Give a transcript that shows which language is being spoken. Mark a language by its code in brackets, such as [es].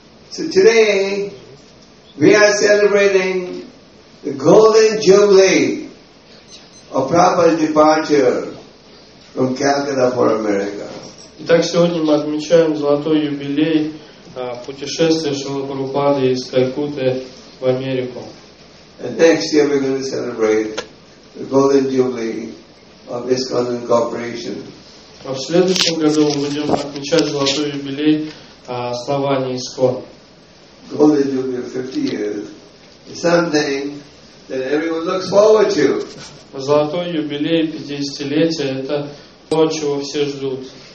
[en] So today we are celebrating the golden jubilee of Prabhupada's departure from Calcutta for America. [ru] Итак, сегодня мы отмечаем золотой юбилей путешествия Шрила Прабхупады из Калькутты в Америку. [en] And next year we're going to celebrate the golden jubilee of ISKCON and Corporation. [ru] В следующем году мы будем отмечать золотой юбилей основания ISKCON. [en] Golden jubilee of 50 years is something that everyone looks forward to. [ru] Золотой юбилей 50-летия – это то, чего все ждут.